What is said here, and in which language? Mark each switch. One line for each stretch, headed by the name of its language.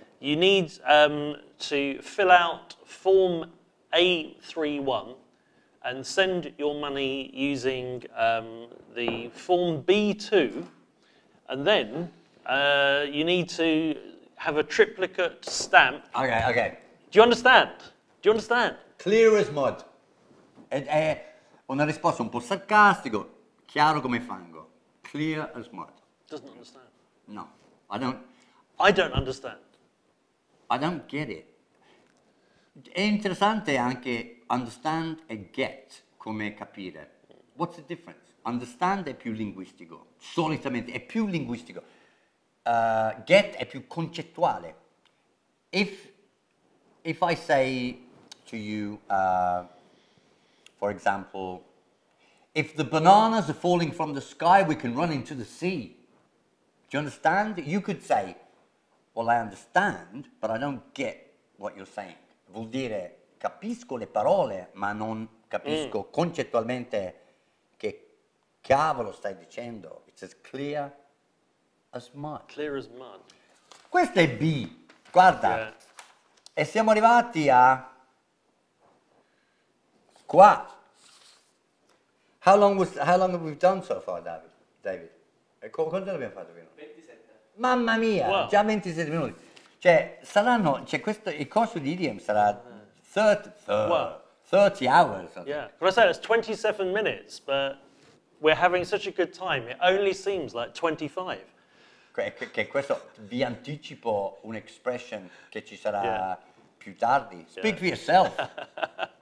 English: You need to fill out form A31 and send your money using the form B2, and then you need to have a triplicate stamp. Okay. Okay. Do you understand? Do you understand? Clear as mud.
Italian: È una risposta un po' sarcastico, chiaro come fango.
English: Clear as mud. Doesn't understand. No, I don't. I don't understand. I don't get it.
Italian: È interessante anche understand e get come capire.
English: What's the difference?
Italian: Understand è più linguistico, solitamente è più linguistico. Get è più concettuale.
English: If I say to you, for example, if the bananas are falling from the sky, we can run into the sea. Do you understand? You could say, well, I understand, but I don't get what you're saying.
Italian: Vuol dire capisco le parole, ma non capisco concettualmente che cavolo stai dicendo.
English: It's as clear as mud. Clear as mud.
Italian: Questa è B. Guarda.
English: Yeah.
Italian: E siamo arrivati a qua.
English: How long have we done so far, David?
Italian: David. E quanto l'abbiamo fatto fino? 27. Mamma mia, wow. Già 27 minuti. Cioè, saranno, cioè questo, il corso di idiom sarà
English: 30 hours. Yeah, can I say it's 27 minutes, but we're having such a good time, it only seems like 25.
Italian: Che questo, vi anticipo un'expression che ci sarà più tardi.
English: Speak for yourself.